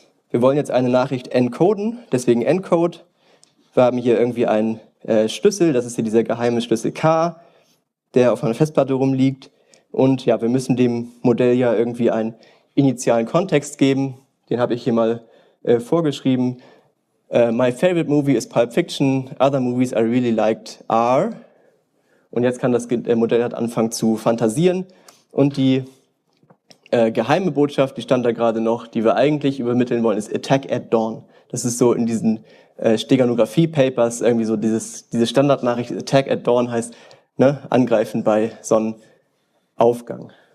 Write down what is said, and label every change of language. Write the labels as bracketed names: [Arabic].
[German] Wir wollen jetzt eine Nachricht encoden, deswegen Encode. Wir haben hier irgendwie einen Schlüssel, das ist hier dieser geheime Schlüssel K, der auf einer Festplatte rumliegt. Und ja, wir müssen dem Modell ja irgendwie einen initialen Kontext geben. Den habe ich hier mal vorgeschrieben. [English] My favorite movie is Pulp Fiction, other movies I really liked are. [German] Und jetzt kann das Modell halt anfangen zu fantasieren. Und die geheime Botschaft, die stand da gerade noch, die wir eigentlich übermitteln wollen, ist [English] Attack at Dawn. [German] Das ist so in diesen Steganographie-Papers irgendwie so diese Standardnachricht, [English] Attack at Dawn [German] heißt, ne, angreifen bei Sonnenaufgang.